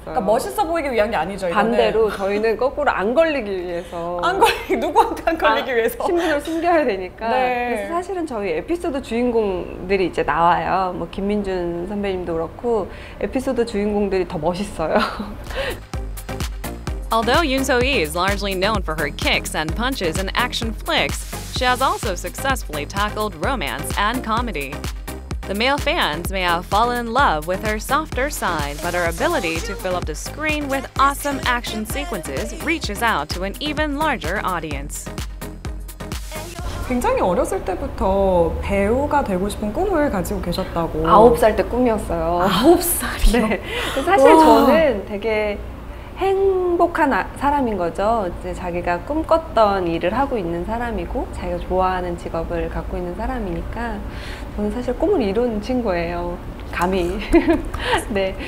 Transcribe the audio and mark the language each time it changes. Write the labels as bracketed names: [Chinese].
[Korean] 그러니까 멋있어 보이기 위한 게 아니죠. 반대로 이거는. 저희는 거꾸로 안 걸리기 위해서 안 걸리 누구한테 안 걸리기 위해서 신분을 숨겨야 되니까 네. 그래서 사실은 저희 에피소드 주인공 들이 이제 나와요. 뭐 김민준 선배님도 그렇고 에피소드 주인공들이 더 멋있어요. [English] Although Yoon So-hee is largely known for her kicks and punches in action flicks, she has also successfully tackled romance and comedy. The male fans may have fallen in love with her softer side, but her ability to fill up the screen with awesome action sequences reaches out to an even larger audience. [Korean] 굉장히 어렸을 때부터 배우가 되고 싶은 꿈을 가지고 계셨다고. 9살 때 꿈이었어요. 9살이요? 네. 사실 와. 저는 되게 행복한 사람인 거죠. 이제 자기가 꿈꿨던 일을 하고 있는 사람이고 자기가 좋아하는 직업을 갖고 있는 사람이니까 저는 사실 꿈을 이룬 친구예요. 감히. 네.